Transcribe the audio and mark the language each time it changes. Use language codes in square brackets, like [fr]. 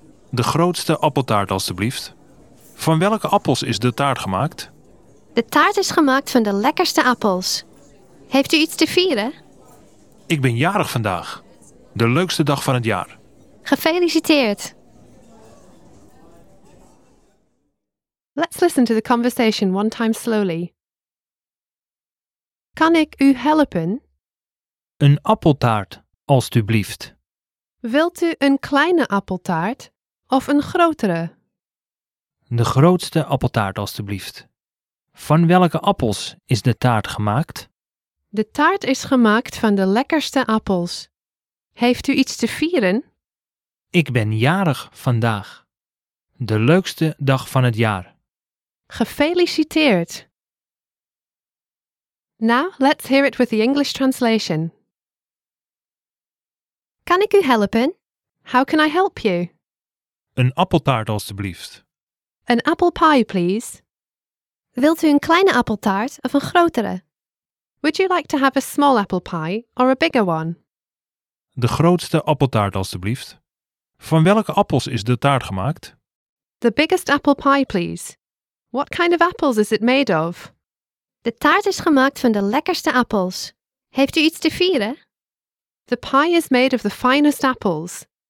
[nl] De grootste appeltaart alstublieft. Van welke appels is de taart gemaakt? De taart is gemaakt van de lekkerste appels. Heeft u iets te vieren? Ik ben jarig vandaag. De leukste dag van het jaar. Gefeliciteerd. [en] Let's listen to the conversation one time slowly. [nl] Kan ik u helpen? Een appeltaart, alstublieft. Wilt u een kleine appeltaart of een grotere? De grootste appeltaart, alstublieft. Van welke appels is de taart gemaakt? De taart is gemaakt van de lekkerste appels. Heeft u iets te vieren? Ik ben jarig vandaag. De leukste dag van het jaar. Gefeliciteerd! [en] Now let's hear it with the English translation. [nl] Kan ik u helpen? [en] How can I help you? [nl] Een appeltaart alstublieft. [en] Een apple pie, please. [nl] Wilt u een kleine appeltaart of een grotere? [en] Would you like to have a small apple pie or a bigger one? [nl] De grootste appeltaart alstublieft. Van welke appels is de taart gemaakt? [en] The biggest apple pie, please. What kind of apples is it made of? [nl] De taart is gemaakt van de lekkerste appels. Heeft u iets te vieren? [en] The pie is made of the finest apples.